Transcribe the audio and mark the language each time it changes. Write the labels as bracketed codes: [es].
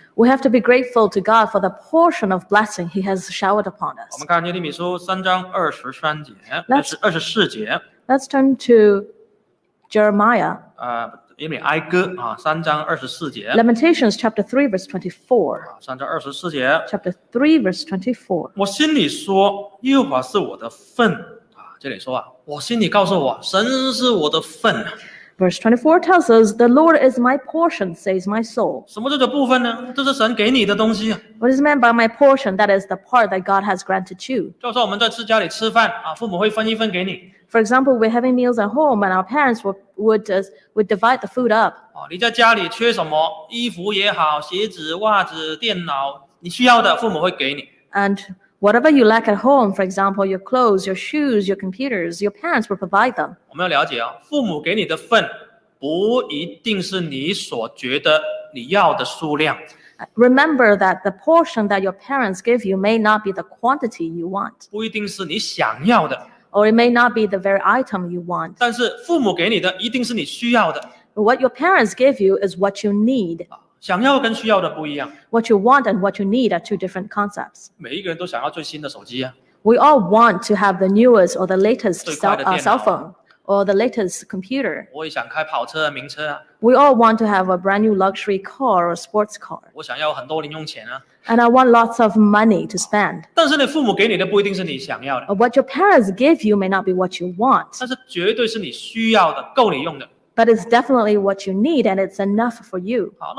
[en] We have to be grateful to God for the portion of blessing He has showered upon us. [zh] 我们看耶利米书3章23节，24节。 [en] Let's turn to Jeremiah. [zh] 耶利米哀歌啊，3章24节。 [en] Lamentations chapter 3 verse 24. [zh] 3章24节。 [en] Chapter 3 verse 24. [zh] 我心里说，耶和华是我的份。这里说啊, 我心里告诉我, [en] Verse 24 tells us, the Lord is my portion, says my soul. [zh] 什么叫做部分呢? [en] What is meant by my portion? That is the part that God has granted you. [zh] 就说我们在吃家里吃饭, 啊, [en] For example, we're having meals at home and our parents would divide the food up. [zh] 啊, 你在家里缺什么? 衣服也好, 鞋子, 袜子, 电脑, 你需要的, [en] and whatever you lack at home, for example, your clothes, your shoes, your computers, your parents will provide them. [zh] 我们要了解啊, 父母给你的份不一定是你所觉得你要的数量。 [en] Remember that the portion that your parents give you may not be the quantity you want. [zh] 不一定是你想要的。 [en] Or it may not be the very item you want. [zh] 但是父母给你的一定是你需要的。 [en] What your parents give you is what you need. [zh] 想要跟需要的不一样。 [en] What you want and what you need are two different concepts. [zh] 每一个人都想要最新的手机啊。 [en] We all want to have the newest or the latest cell phone or the latest computer. [zh] 我也想开跑车、名车啊。 [en] We all want to have a brand new luxury car or sports car. [zh] 我想要很多零用钱啊。 [en] And I want lots of money to spend. [zh] 但是你父母给你的不一定是你想要的。 [en] What your parents give you may not be what you want. [zh] 但是绝对是你需要的，够你用的。 [en] But it's definitely what you need, and it's enough for you.